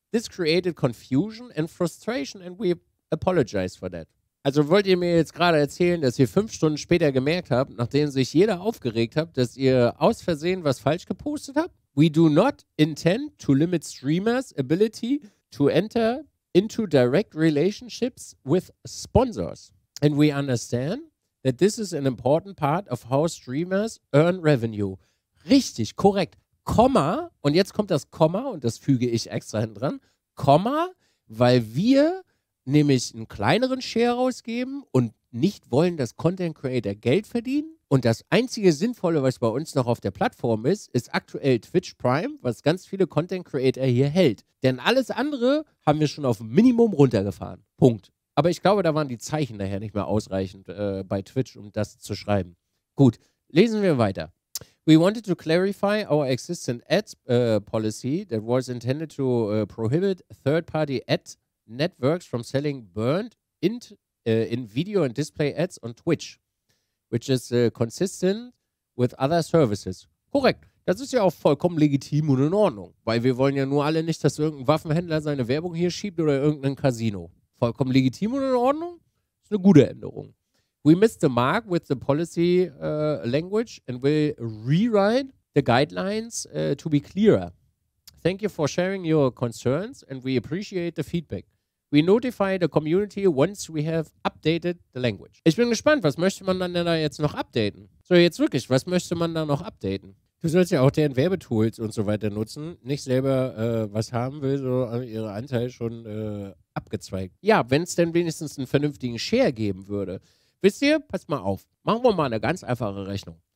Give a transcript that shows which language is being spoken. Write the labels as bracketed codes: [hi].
[en] This created confusion and frustration and we apologize for that. [de] Also wollt ihr mir jetzt gerade erzählen, dass ihr 5 Stunden später gemerkt habt, nachdem sich jeder aufgeregt hat, dass ihr aus Versehen was falsch gepostet habt? [en] We do not intend to limit streamers' ability to enter into direct relationships with sponsors. And we understand that this is an important part of how streamers earn revenue. [de] Richtig, korrekt. Komma, und jetzt kommt das Komma, und das füge ich extra hinten dran. Komma, weil wir nämlich einen kleineren Share rausgeben und nicht wollen, dass Content Creator Geld verdienen. Und das einzige Sinnvolle, was bei uns noch auf der Plattform ist, ist aktuell Twitch Prime, was ganz viele Content Creator hier hält. Denn alles andere haben wir schon auf Minimum runtergefahren. Punkt. Aber ich glaube, da waren die Zeichen nachher nicht mehr ausreichend bei Twitch, um das zu schreiben. Gut, lesen wir weiter. [en] We wanted to clarify our existing ads policy that was intended to prohibit third-party ad networks from selling burned in video and display ads on Twitch, which is consistent with other services. [de] Korrekt. Das ist ja auch vollkommen legitim und in Ordnung. Weil wir wollen ja nur alle nicht, dass irgendein Waffenhändler seine Werbung hier schiebt oder irgendein Casino. Vollkommen legitim und in Ordnung. Ist eine gute Änderung. [en] We missed the mark with the policy language and will rewrite the guidelines to be clearer. Thank you for sharing your concerns and we appreciate the feedback. We notify the community once we have updated the language. [de] Ich bin gespannt, was möchte man dann da jetzt noch updaten? So, jetzt wirklich, was möchte man da noch updaten? Du sollst ja auch deren Werbetools und so weiter nutzen, nicht selber was haben will, so ihre Anteile schon abgezweigt. Ja, wenn es denn wenigstens einen vernünftigen Share geben würde. Wisst ihr, passt mal auf, machen wir mal eine ganz einfache Rechnung.